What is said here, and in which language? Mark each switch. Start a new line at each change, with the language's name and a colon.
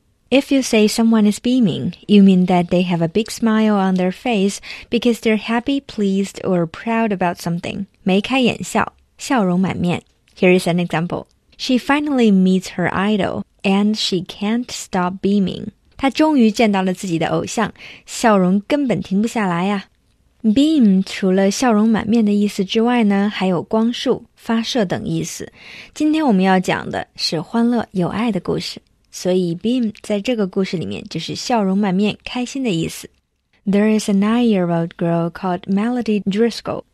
English: If you say someone is beaming, you mean that they have a big smile on their face because they're happy, pleased, or proud about something.
Chinese: 眉开眼笑,笑容满面.
English: Here is an example. She finally meets her idol, and she can't stop beaming.
Chinese: 她终于见到了自己的偶像,笑容根本停不下来啊。 Beam 除了笑容满面的意思之外呢，还有光束、发射等意思。今天我们要讲的是欢乐、有爱的故事，所以 beam 在这个故事里面就是笑容满面、开心的意思。
English: There is a 9-year-old girl called Melody Driscoll.